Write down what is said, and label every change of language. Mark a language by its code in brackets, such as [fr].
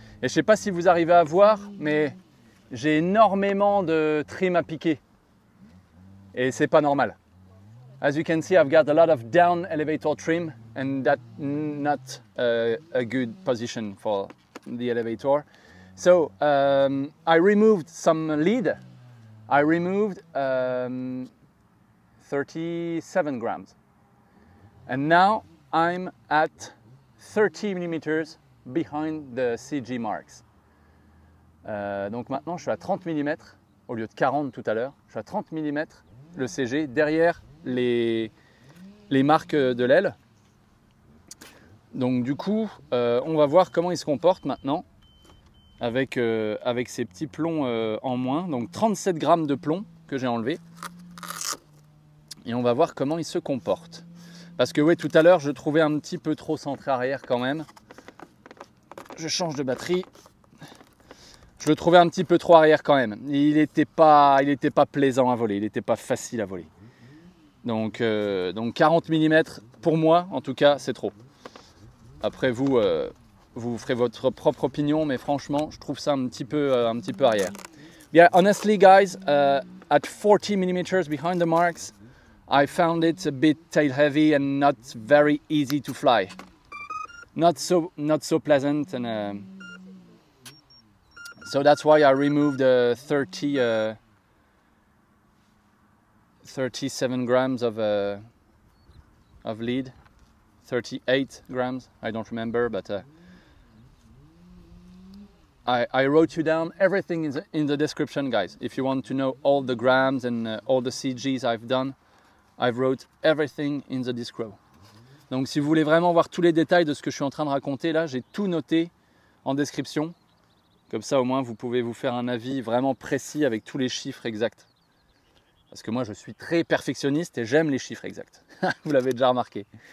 [fr] Et je ne sais pas si vous arrivez à voir, mais j'ai énormément de trim à piquer. Et ce n'est pas normal. [en] As you can see, I've got a lot of down elevator trim, and that's not a good position for the elevator. So, I removed some lead. I removed 37 grams. And now I'm at 30 millimeters behind the CG marks. [fr] Donc maintenant je suis à 30 mm au lieu de 40 tout à l'heure. Je suis à 30 mm le CG derrière les marques de l'aile. Donc du coup, on va voir comment il se comporte maintenant avec, avec ces petits plombs en moins. Donc 37 grammes de plomb que j'ai enlevé. Et on va voir comment il se comporte. Parce que oui, tout à l'heure, je trouvais un petit peu trop centré arrière quand même. Je change de batterie. Je le trouvais un petit peu trop arrière quand même. Il n'était pas plaisant à voler. Il n'était pas facile à voler. Donc 40 mm, pour moi, en tout cas, c'est trop. Après, vous ferez votre propre opinion. Mais franchement, je trouve ça un petit peu arrière. [en] Yeah, honestly, guys, at 40 mm behind the marks, I found it a bit tail heavy and not very easy to fly. Not so pleasant, and so that's why I removed 37 grams of lead, 38 grams. I don't remember, but I wrote you down everything in the description, guys. If you want to know all the grams and all the CGs I've done, I've wrote everything in the disc row. [fr] Donc si vous voulez vraiment voir tous les détails de ce que je suis en train de raconter là, j'ai tout noté en description. Comme ça au moins vous pouvez vous faire un avis vraiment précis avec tous les chiffres exacts. Parce que moi je suis très perfectionniste et j'aime les chiffres exacts. Vous l'avez déjà remarqué.